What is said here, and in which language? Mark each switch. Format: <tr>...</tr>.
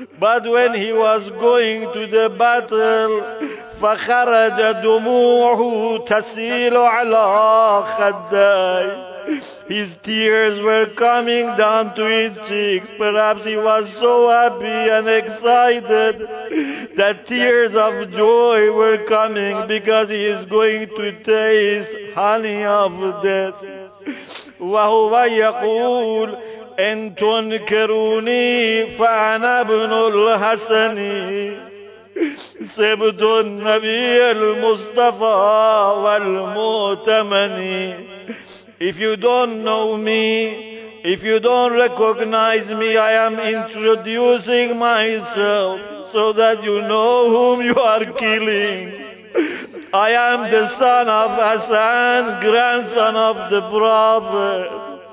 <en>But when he was going to the battle,</en> <ar>فَخَرَجَ دُمُوعُهُ تَسِيلُ عَلَىٰ خَدَّيْهِ.</ar> <en>His tears were coming down to his cheeks. Perhaps he was so happy and excited that tears of joy were coming because he is going to taste honey of death.</en> <ar>وهو يقول إن تنكروني فأنا ابن الحسن سبط النبي المصطفى والمؤتمن.</ar> <en>If you don't know me, if you don't recognize me, I am introducing myself so that you know whom you are killing. I am the son of Hassan, grandson of the Prophet.</en>